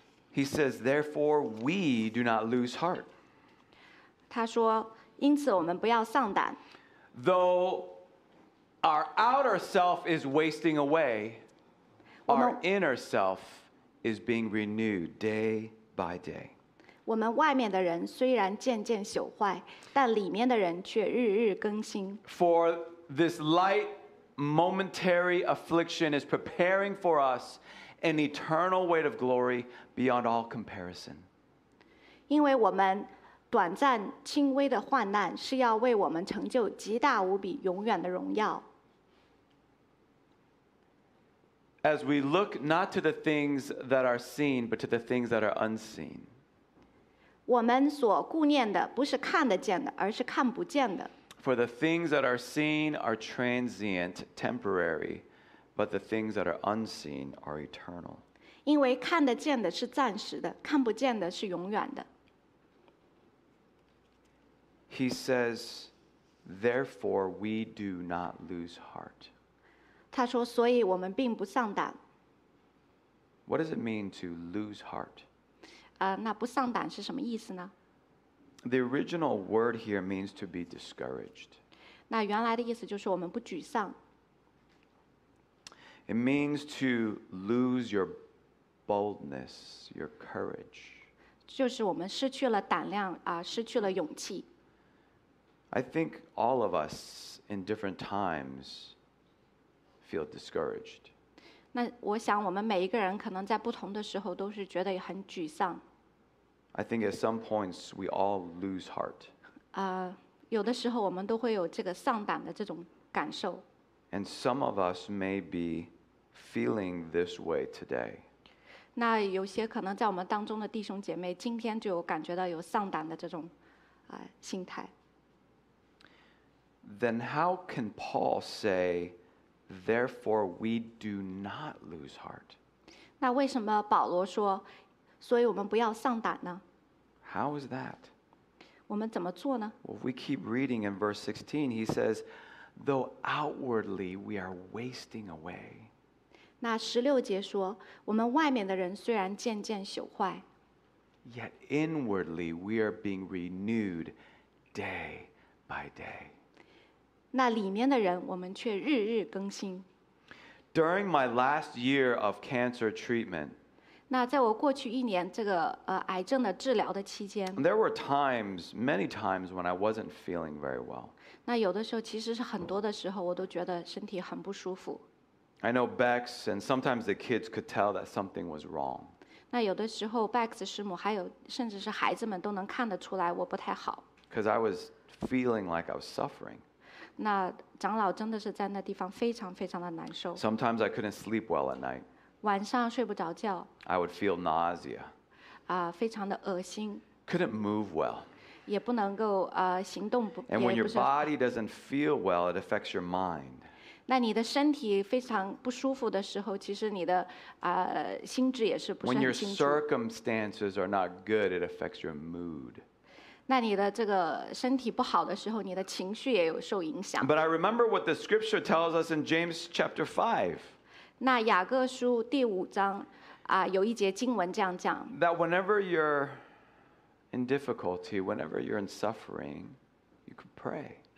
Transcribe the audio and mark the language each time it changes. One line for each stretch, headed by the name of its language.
English: He says, therefore, we do not lose heart.
Chinese: 他说，因此我们不要丧胆。
English: Though our outer self is wasting away, our inner self is being renewed day by day.
Chinese: 我们外面的人虽然渐渐朽坏，但里面的人却日日更新。
English: For this light momentary affliction is preparing for us an eternal weight of glory beyond all comparison.
Chinese: 因为我们短暂轻微的患难是要为我们成就极大无比永远的荣耀。
English: As we look not to the things that are seen, but to the things that are unseen.
Chinese: 我们所顾念的不是看得见的，而是看不见的。
English: For the things that are seen are transient, temporary, but the things that are unseen are eternal.
Chinese: 因为看得见的是暂时的，看不见的是永远的。
English: He says, therefore we do not lose heart.
Chinese: 他说，所以我们并不丧胆。
English: What does it mean to lose heart?
Chinese: 那不丧胆是什么意思呢？
English: The original word here means to be discouraged.
Chinese: 那原来的意思就是我们不沮丧。
English: It means to lose your boldness, your courage.
Chinese: 就是我们失去了胆量，失去了勇气。
English: I think all of us in different times feel discouraged.
Chinese: 那我想我们每一个人可能在不同的时候都是觉得很沮丧。
English: I think at some points we all lose heart.
Chinese: 有的时候我们都会有这个丧胆的这种感受。
English: And some of us may be feeling this way today.
Chinese: 那有些可能在我们当中的弟兄姐妹今天就有感觉到有丧胆的这种心态。
English: Then how can Paul say, therefore we do not lose heart?
Chinese: 那为什么保罗说，所以我们不要丧胆呢？
English: How is that?
Chinese: 我们怎么做呢？
English: Well, we keep reading in verse 16, he says, though outwardly we are wasting away.
Chinese: 那十六节说，我们外面的人虽然渐渐朽坏。
English: Yet inwardly we are being renewed day by day.
Chinese: 那里面的人我们却日日更新。
English: During my last year of cancer treatment,
Chinese: 那在我过去一年这个癌症的治疗的期间，
English: There were times, many times when I wasn't feeling very well.
Chinese: 那有的时候其实是很多的时候我都觉得身体很不舒服。
English: I know Bex and sometimes the kids could tell that something was wrong.
Chinese: 那有的时候 Bex 师母还有甚至是孩子们都能看得出来我不太好。
English: Because I was feeling like I was suffering.
Chinese: 那长老真的是在那地方非常非常的难受。
English: Sometimes I couldn't sleep well at night.
Chinese: 晚上睡不着觉。
English: I would feel nausea.
Chinese: 非常的恶心。
English: Couldn't move well.
Chinese: 也不能够行动不。
English: And when your body doesn't feel well, it affects your mind.
Chinese: 那你的身体非常不舒服的时候，其实你的心智也是不是很清楚。
English: When your circumstances are not good, it affects your mood.
Chinese: 那你的这个身体不好的时候，你的情绪也有受影响。
English: But I remember what the scripture tells us in James chapter 5.
Chinese: 那雅各书第五章有一节经文这样讲。
English: That whenever you're in difficulty, whenever you're in suffering, you can pray.